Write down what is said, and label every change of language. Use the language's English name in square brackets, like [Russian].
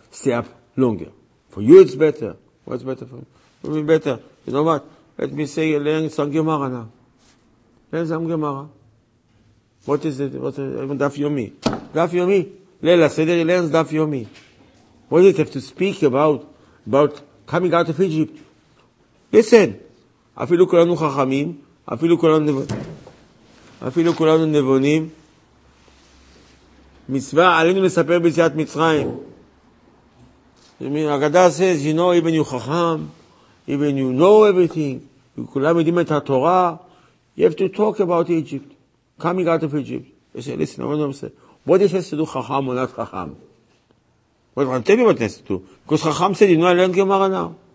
[English] Stay up longer. For you it's better. What's better for me? For me better. You know what? Let me say, learn some Gemara now. Learn some Gemara. What is it? What's Daf Yomi? Daf Yomi. Leila Seder, learn Daf Yomi. What does it have to speak about coming out of Egypt? Listen. [Hebrew] אפילו כולנו חכמים, אפילו כולנו נבונים, מצווה עלינו לספר ביציאת מצרים. [English] הגדה says, you know, even you חכם, even you know everything, [Hebrew] וכולם יודעים את התורה, [English] you have to talk about Egypt, coming out of Egypt. I say, listen, I don't say, what is this to do חכם or not חכם? What do you want to tell me what this to do? Because חכם said, you know, I learned Gemara now.